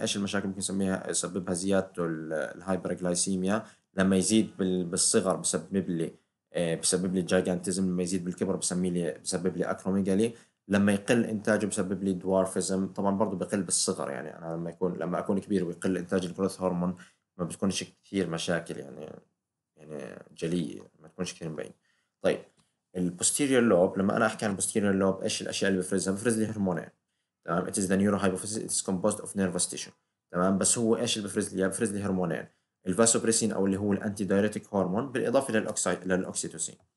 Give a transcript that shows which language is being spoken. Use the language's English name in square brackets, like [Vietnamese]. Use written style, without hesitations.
[Arabic] ايش المشاكل ممكن نسميها يسببها؟ زياده الهايبرجلايسيميا، لما يزيد بالصغر بسبب لي جايجانتيزم، لما يزيد بالكبر بسبب لي اكروميجالي، لما يقل انتاجه بسبب لي دوارفيزم. طبعا برضه بقل بالصغر، يعني انا لما يكون لما اكون كبير ويقل انتاج الجروث هرمون ما بتكونش كثير مشاكل يعني جلية ما تكونش كثير مبين. طيب البوستيريور لوب، لما انا احكي عن البوستيريور لوب ايش الاشياء اللي بفرزها؟ بفرز لي هرمونين تمام. [English] It is the neurohypophysis, it is composed of nervous tissue تمام. [Arabic] بس هو ايش اللي بفرز لي؟ بفرز لي هرمونين، الفاسوبريسين او اللي هو الانتي دايريتيك هرمون، بالاضافه للاوكسيتوسين.